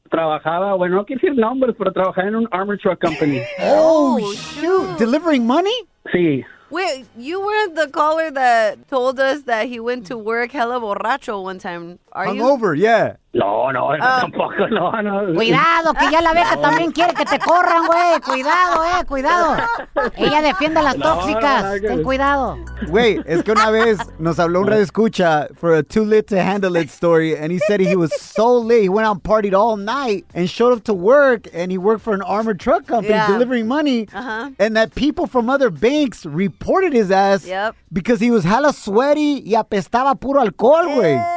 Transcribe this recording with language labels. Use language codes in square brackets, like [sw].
[es] Trabajaba, bueno, no quiero decir nombres, pero trabajaba en un [en] armor truck company. Oh, shoot. Delivering money? [es] Sí. [en] Wait, you weren't the caller that told us that he went to work hella borracho one time, are Hung you? Hungover, yeah. [es] No, tampoco. Cuidado, que ya la beca también quiere que te corran, güey. Cuidado. Ella defiende a las tóxicas. Ten cuidado. Güey, es que una vez nos habló un radioescucha [en] for a too lit to handle it story, and he said he was so late. He went out and partied all night and showed up to work, and he worked for an armored truck company delivering money, and that people from other banks reported his ass because he was hella sweaty [es] y apestaba puro alcohol, güey.